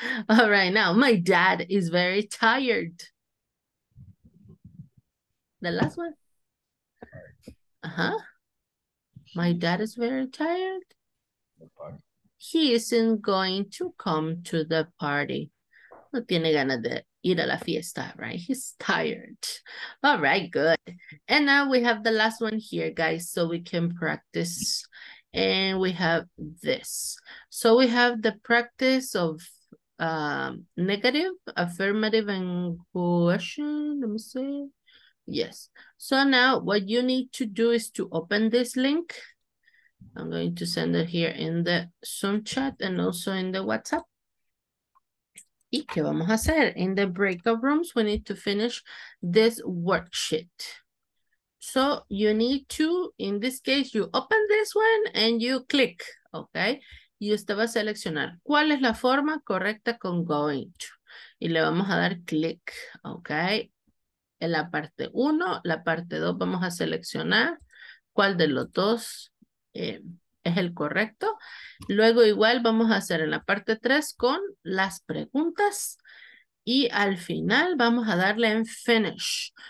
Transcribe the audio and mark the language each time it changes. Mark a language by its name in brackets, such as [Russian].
[English] Alright, now, my dad is very tired. The last one? My dad is very tired. He isn't going to come to the party. [Spanish] No tiene ganas de ir a la fiesta, right? [English] He's tired. All right, good. And now we have the last one here, guys, so we can practice. And we have this. So we have the practice of negative, affirmative, and question. Let me see. Yes. So now what you need to do is to open this link. I'm going to send it here in the Zoom chat and also in the WhatsApp. [Spanish] ¿Y qué vamos a hacer? [English] In the breakout rooms, we need to finish this worksheet. So you need to, in this case, you open this one and you click, okay? [Spanish] Y usted va a seleccionar cuál es la forma correcta con going to. Y le vamos a dar click, okay? En la parte 1, la parte 2, vamos a seleccionar cuál de los dos es el correcto. Luego igual vamos a hacer en la parte 3 con las preguntas y al final vamos a darle en finish.